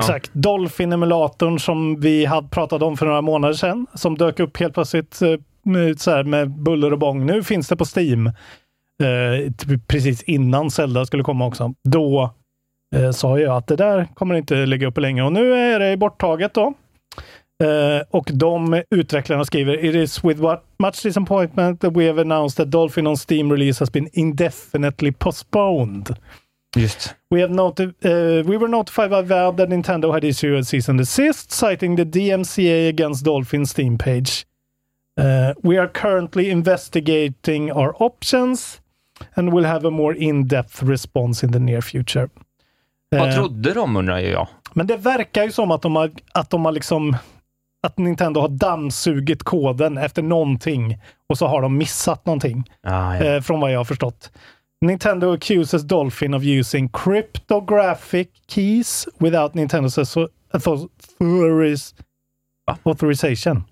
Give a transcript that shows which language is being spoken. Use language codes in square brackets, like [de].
[sv] Exakt, Dolphin-emulatorn som vi hade pratat om för några månader sedan, som dök upp helt plötsligt så här, med buller och bång. Nu finns det på Steam, precis innan Zelda skulle komma också. Då sa jag att det där kommer inte ligga uppe länge och nu är det borttaget då. Och de utvecklarna skriver [en] it is with much disappointment that we have announced that Dolphin on Steam release has been indefinitely postponed. [sv] Just. [en] We were notified by Valve that Nintendo had issued a cease and desist citing the DMCA against Dolphin Steam page. We are currently investigating our options and we'll have a more in-depth response in the near future. [sv] Vad trodde de, undrar ju jag. Men det verkar ju som att de har liksom att Nintendo har dammsugit koden efter någonting och så har de missat någonting. Från vad jag har förstått. [en] Nintendo accuses Dolphin of using cryptographic keys without Nintendo's authorization.